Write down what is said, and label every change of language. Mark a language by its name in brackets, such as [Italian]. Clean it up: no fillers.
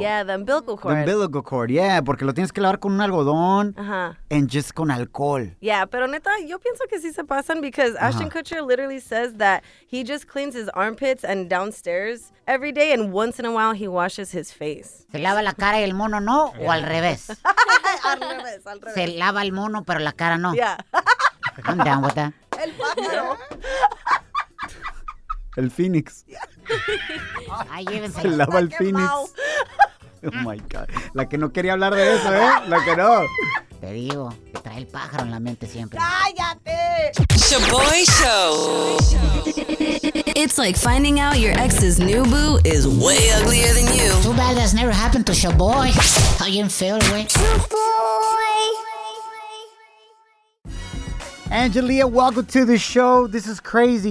[English] Yeah, the umbilical cord. The umbilical cord, yeah. [Spanish] Porque lo tienes que lavar con un algodón [English] and just [Spanish] con alcohol. [English] Yeah, [Spanish] pero neta, yo pienso que sí se pasan [English] because Ashton Kutcher literally says that he just cleans his armpits and downstairs every day and once in a while he washes his face. [Spanish] ¿Se lava la cara y el mono no o al revés? Al revés, al revés. Se lava el mono pero la cara no. [English] Yeah. I'm down with that. [Spanish] El pájaro. El Phoenix. Ay, llévense. Se lava el Phoenix. [English] Oh, my God. [Spanish] La que no quería hablar de eso, ¿eh? La que no. Te digo, que trae el pájaro en la mente siempre. ¡Cállate! [English] Shoboy Show. It's like finding out your ex's new boo is way uglier than you. Too bad that's never happened to Shoboy. How you feel, right? Shoboy. Angelia, welcome to the show. This is crazy.